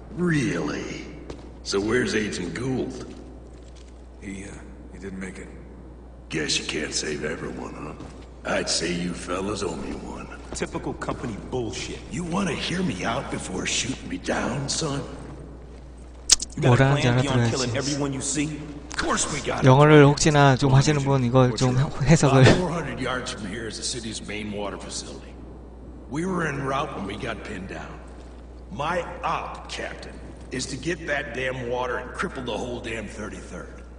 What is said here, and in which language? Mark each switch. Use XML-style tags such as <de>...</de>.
<en>Really? So where's Agent Gould? He didn't make it. Guess you can't save everyone, huh? I'd say you fellas owe me one. Typical company bullshit. You want to hear me out before shooting me down, son? You got a plan beyond killing everyone you see?</en> <ko>영어를 혹시나 좀 하시는 분 이걸 좀 해석을.</ko> <en>400 yards from here is the city's main water facility. We were en route when we got pinned down. My op, Captain, is to get that damn water and cripple the whole damn 33rd.</en>